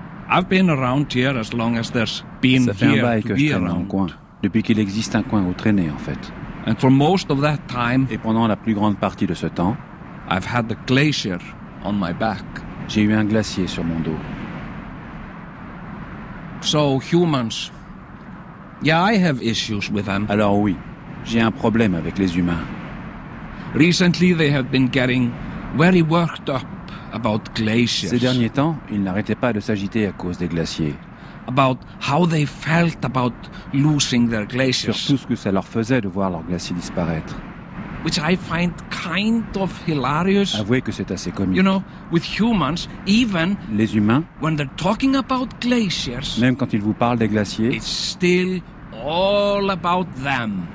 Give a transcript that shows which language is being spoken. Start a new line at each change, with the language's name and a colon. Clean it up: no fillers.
English: I've been around here as long as there's been
French: ça
English: here
French: fait un bail
English: to
French: que
English: be
French: je traîne
English: around.
French: Un coin. Depuis qu'il existe un coin où traîner, en fait.
English: And for most of that time,
French: et pendant la plus grande partie de ce temps,
English: I've had the glacier on my back.
French: J'ai eu un glacier sur mon dos.
English: So, humans... Yeah, I have issues with them.
French: Alors oui, j'ai un problème avec les humains.
English: Recently, they have been getting very worked up about glaciers.
French: Ces derniers temps, ils n'arrêtaient pas de s'agiter à cause des glaciers.
English: About how they felt about losing their glaciers.
French: Sur tout ce que ça leur faisait de voir leurs glaciers disparaître.
English: Which I find kind of hilarious.
French: Avouez que c'est assez comique.
English: You know, with humans, even
French: les humains,
English: when they're talking about glaciers,
French: même quand ils vous parlent des glaciers,
English: it's still all about them.